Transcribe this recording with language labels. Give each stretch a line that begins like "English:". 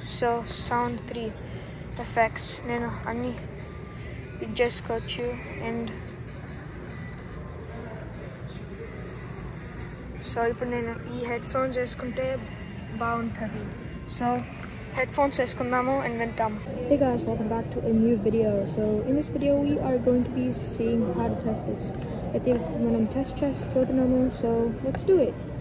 Telugu: So sound 3 effects నేను అన్ని ఇది చేసుకోవచ్చు అండ్ సో ఇప్పుడు నేను ఈ హెడ్ ఫోన్స్ వేసుకుంటే బాగుంటుంది. సో హెడ్ ఫోన్స్ వేసుకుందాము అండ్ వింటాం.
English: Hey guys, welcome back to a new video. So in this video we are going to be seeing how to test this. I think
Telugu: మనం test చేసుకుంటున్నాము,
English: So let's do it.